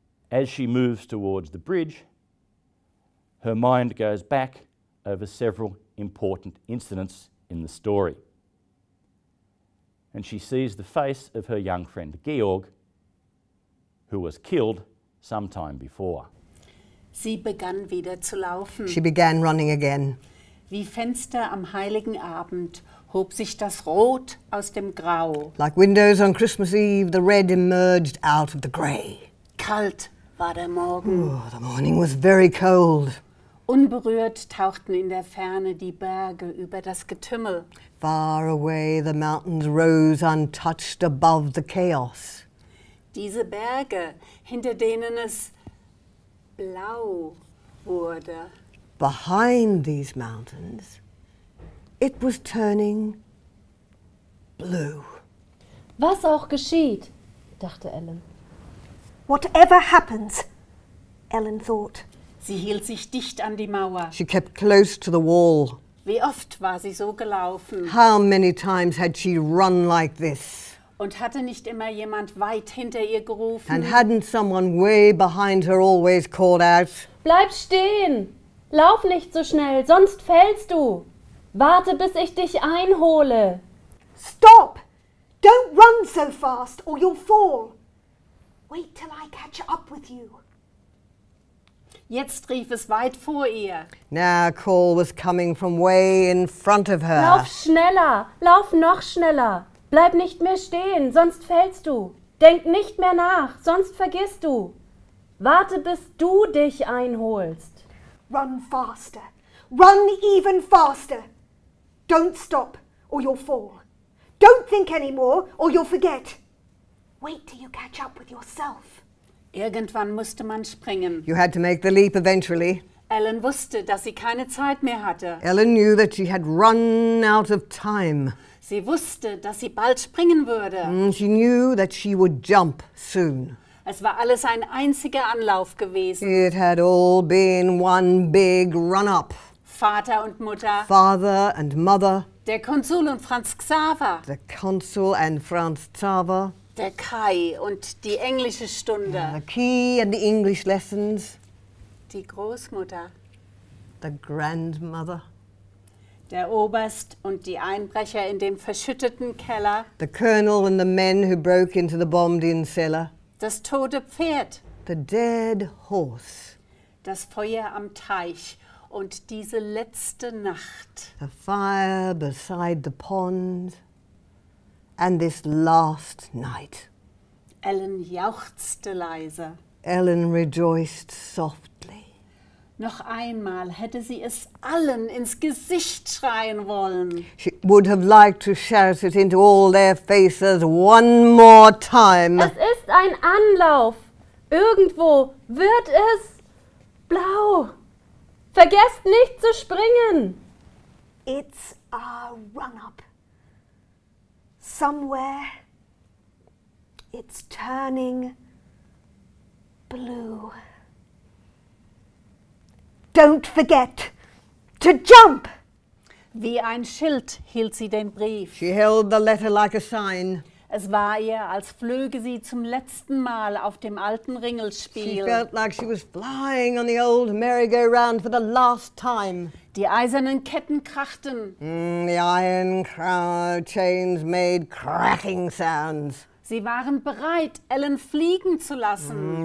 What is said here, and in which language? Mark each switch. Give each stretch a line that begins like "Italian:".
English: As she moves towards the bridge, her mind goes back over several important incidents in the story. And she sees the face of her young friend Georg, who was killed some time before.
German: Sie begann wieder zu laufen.
English: She began running again.
German: Wie Fenster am heiligen Abend hob sich das Rot aus dem Grau.
English: Like windows on Christmas Eve, the red emerged out of the grey.
German: Kalt war der Morgen.
English: Oh, the morning was very cold.
German: Unberührt tauchten in der Ferne die Berge über das Getümmel.
English: Far away the mountains rose untouched above the chaos.
German: Diese Berge, hinter denen es blau wurde.
English: Behind these mountains, it was turning blue.
German: Was auch geschieht, dachte Ellen.
English: Whatever happens, Ellen thought.
German: Sie hielt sich dicht an die Mauer.
English: She kept close to the wall.
German: Wie oft war sie so gelaufen?
English: How many times had she run like this?
German: Und hatte nicht immer jemand weit hinter ihr gerufen?
English: And hadn't someone way behind her always called out?
German: Bleib stehen! Lauf nicht so schnell, sonst fällst du! Warte, bis ich dich einhole!
English: Stop! Don't run so fast or you'll fall! Wait till I catch up with you!
German: Jetzt rief es weit vor ihr.
English: Now a call was coming from way in front of her.
German: Lauf schneller, lauf noch schneller. Bleib nicht mehr stehen, sonst fällst du. Denk nicht mehr nach, sonst vergisst du. Warte, bis du dich einholst.
English: Run faster, run even faster. Don't stop or you'll fall. Don't think anymore or you'll forget. Wait till you catch up with yourself.
German: Irgendwann musste man springen.
English: You had to make the leap eventually.
German: Ellen wusste, dass sie keine Zeit mehr hatte.
English: Ellen knew that she had run out of time.
German: Sie wusste, dass sie bald springen würde.
English: She knew that she would jump soon.
German: Es war alles ein einziger Anlauf gewesen.
English: It had all been one big run-up.
German: Vater und Mutter.
English: Father and mother.
German: Der Konsul und Franz Xaver.
English: The Consul and Franz Xaver.
German: Der Kai und die englische Stunde.
English: The key and the English lessons.
German: Die Großmutter.
English: The grandmother.
German: Der Oberst und die Einbrecher in dem verschütteten Keller.
English: The colonel and the men who broke into the bombed-in cellar.
German: Das tote Pferd.
English: The dead horse.
German: Das Feuer am Teich und diese letzte Nacht.
English: The fire beside the pond. And this last night.
German: Ellen jauchzte leise.
English: Ellen rejoiced softly.
German: Noch einmal hätte sie es allen ins Gesicht schreien wollen.
English: She would have liked to shout it into all their faces one more time.
German: Es ist ein Anlauf. Irgendwo wird es blau. Vergesst nicht zu springen.
English: It's a run-up. Somewhere, it's turning blue. Don't forget to jump!
German: Wie ein Schild hielt sie den Brief.
English: She held the letter like a sign.
German: Es war ihr, als flöge sie zum letzten Mal auf dem alten Ringelspiel.
English: She felt like she was flying on the old merry-go-round for the last time.
German: Die eisernen Ketten krachten.
English: The iron chains made cracking sounds.
German: Sie waren bereit, Ellen fliegen zu lassen.